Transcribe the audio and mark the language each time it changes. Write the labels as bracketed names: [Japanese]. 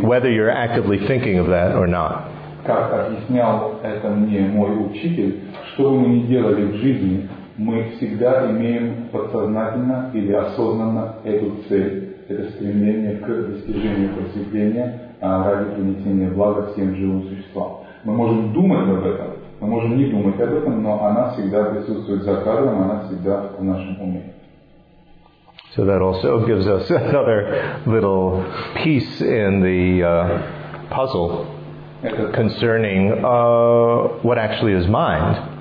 [English] Whether you're actively thinking of that or not. [Russian] Как объяснял это мне мой учитель, что бы мы ни делали в жизни, мы всегда имеем подсознательно или осознанно эту цель, это стремление к достижению просветления ради принесения блага всем живым существам. Мы можем думать об этом, мы можем не думать об этом, но она всегда присутствует за кадром, она всегда в нашем уме. [English] So that also gives us another little piece in the puzzle concerning what actually is mind.